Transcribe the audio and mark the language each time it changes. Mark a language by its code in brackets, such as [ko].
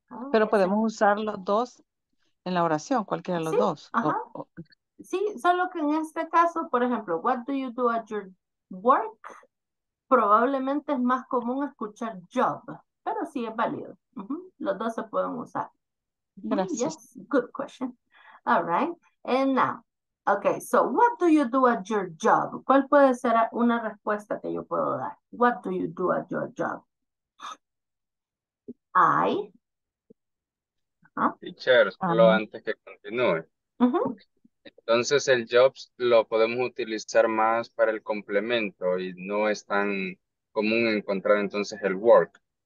[es] Pero podemos usar los dos en la oración, cualquiera de los sí, dos. Sí, solo que en este caso, por ejemplo, [en] what do you do at your work? [es] Probablemente es más común escuchar job, pero sí es válido. Los dos se pueden usar. Gracias. [en] Yes, good question. All right. And now, okay, so what do you do at your job? [es] ¿Cuál puede ser una respuesta que yo puedo dar? [en] What do you do at your job? I. [es] Teacher, solo antes que continúe. Entonces el jobs lo podemos utilizar más para el complemento y no es tan común encontrar entonces el work.